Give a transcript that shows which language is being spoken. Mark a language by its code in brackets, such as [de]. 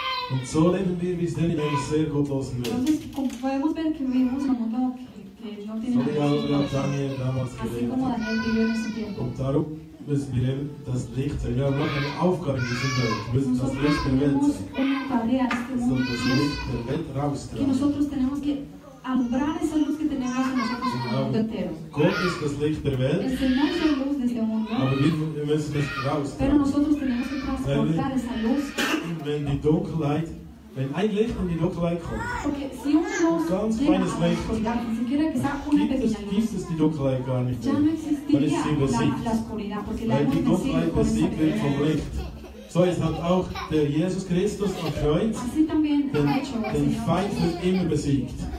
[de] Und so leben wir bis dann in einer sehr gottlosen Welt. So wie auch Daniel damals gelebt hat. Und darum müssen wir eben das Licht sein. Wir haben eine Aufgabe in dieser Welt. Wir müssen das Licht der Welt sein. Wir müssen das Licht der Welt raustragen. [es] Alumbrar esa luz que tenemos en nosotros en el mundo entero. [de] Gott ist das Licht der Welt. [es] Es el más luz de este mundo. [de] Aber wir müssen es raus. [es] Pero nosotros tenemos que transportar esa luz. [de] Wenn die Dunkelheit, wenn ein Licht in die Dunkelheit kommt, [es] si una luz [de] ganz feines Licht, gibt es die Dunkelheit gar nicht mehr. Dann ist sie besiegt. Weil die Dunkelheit besiegt wird vom Licht. So, es hat auch der Jesus Christus am Kreuz den Feind für immer besiegt.